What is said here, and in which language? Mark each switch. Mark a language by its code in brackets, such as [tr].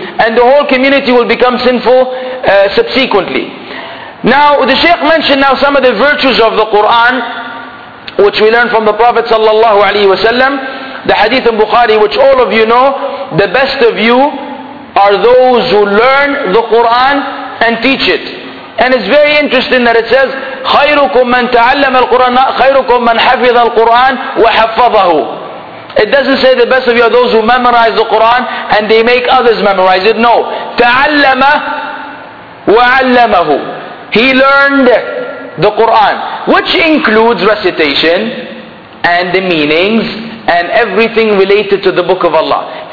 [en] And the whole community will become sinful subsequently. Now, the Shaykh mentioned now some of the virtues of the Quran, which we learned from the Prophet sallallahu alaihi wasallam, the Hadith in Bukhari, which all of you know, the best of you are those who learn the Quran and teach it. And it's very interesting that it says, [ar] خَيْرُكُمْ مَنْ تَعَلَّمَ الْقُرْآنَ خَيْرُكُمْ مَنْ حَفِظَ الْقُرْآنَ وَحَفَّظَهُ. [en] It doesn't say the best of you are those who memorize the Quran and they make others memorize it. No. [ar] تَعَلَّمَ وَعَلَّمَهُ. [en] He learned the Quran, which includes recitation and the meanings and everything related to the book of Allah.